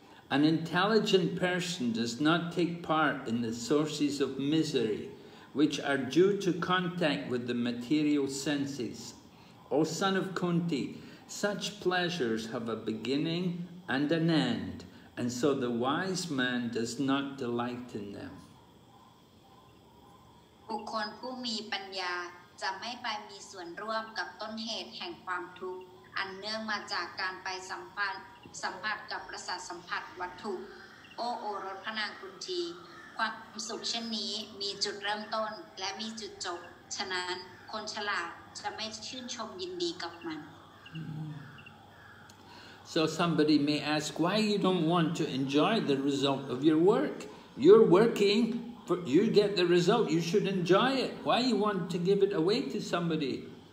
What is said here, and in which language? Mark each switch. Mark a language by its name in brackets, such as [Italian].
[English] An intelligent person does not take part in the sources of misery which are due to contact with the material senses. O son of Kunti, such pleasures have a beginning and an end, and so the wise man does not delight in them. [Thai] Bhukkhon phu mi panya จะไม่ไปมีส่วนร่วมกับต้นเหตุแห่งความทุกข์อันเนื่องมาจากการไปสัมผัสกับประสาทสัมผัสวัตถุโอโอรสพระนางกุนทีความสุขเช่นนี้มีจุดเริ่มต้นและมีจุดจบฉะนั้นคนฉลาดจะไม่ชื่นชมยินดีกับมัน [English] So somebody may ask why you don't want to enjoy the result of your work you're workingFor, you get the result, you should enjoy it. Why you want to give it away to somebody?